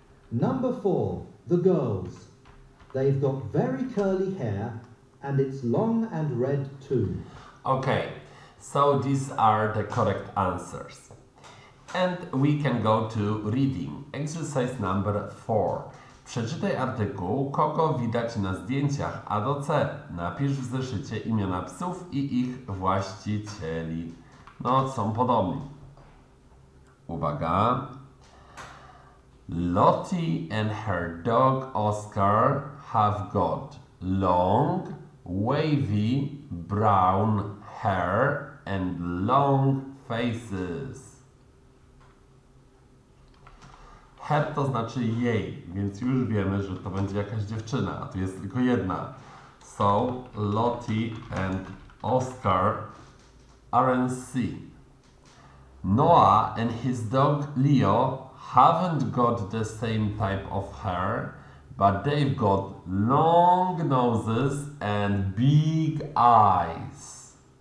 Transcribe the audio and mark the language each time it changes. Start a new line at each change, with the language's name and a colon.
English: Number four, the girls. They've got very curly hair and it's long and red too. Okay. So these are the correct answers. And we can go to reading. Exercise number 4.
Polish: Przeczytaj artykuł, kogo widać na zdjęciach A do C. Napisz w zeszycie imiona psów i ich właścicieli. No, są podobni. Uwaga.
English: Lottie and her dog Oscar have got long, wavy, brown hair and long faces.
Polish: Her to znaczy jej, więc już wiemy, że to będzie jakaś dziewczyna, a tu jest tylko jedna.
English: So, Lottie and Oscar aren't C. Noah and his dog Leo haven't got the same type of hair, but they've got long noses and big eyes.